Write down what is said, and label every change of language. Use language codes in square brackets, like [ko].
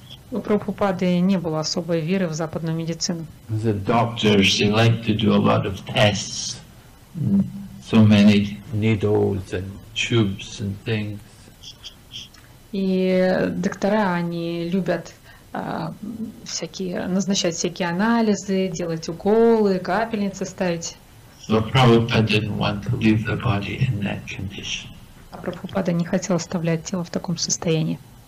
[ru] У Прабхупады не было особой веры в западную медицину. [en] The doctors, they like to do a lot of tests, so many needles and tubes and things. [ru] И доктора, они любят всякие, назначать всякие анализы, делать уколы, капельницы ставить. А Прабхупада не хотел оставлять тело в таком состоянии.